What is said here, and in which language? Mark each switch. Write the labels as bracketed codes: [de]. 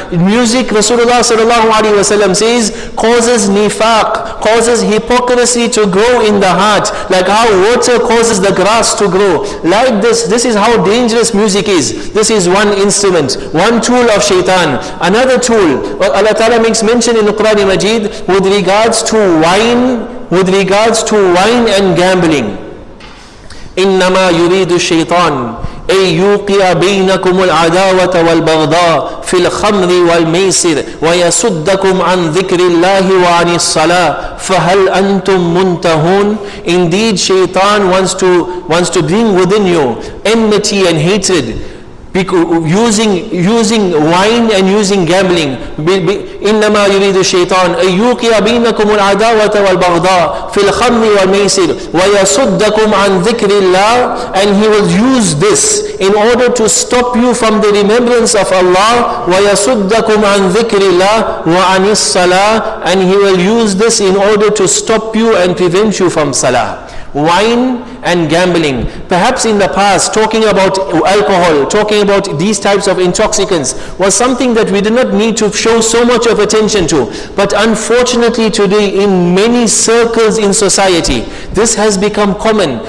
[en] Music, Rasulullah sallallahu wasallam says, causes nifaq, causes hypocrisy to grow in the heart, like how water causes the grass to grow. Like this, this is how dangerous music is. This is one instrument, one tool of shaitan. Another tool, Allah Ta'ala makes mention in the Quran Majid with regards to wine, with regards to wine and gambling. [ar] Innama yuridu shaitan أي يوقع بينكم العداوة والبغضاء في الخمر والميسر ويصدكم عن ذكر الله وعن الصلاة فهل أنتم منتهون. [en] Indeed, Shaitan wants to bring within you enmity and hatred, using wine and using gambling. [ar] إنما يريد الشيطان أن يوقع بينكم العداوة والبغضاء في الخمر والميسر ويصدكم عن ذكر الله. [en] And he will use this in order to stop you from the remembrance of Allah. [ar] ويصدكم عن ذكر الله وعن الصلاة. [en] And he will use this in order to stop you and prevent you from salah. Wine and gambling. Perhaps in the past, talking about alcohol, talking about these types of intoxicants was something that we did not need to show so much of attention to. But unfortunately today, in many circles in society, this has become common.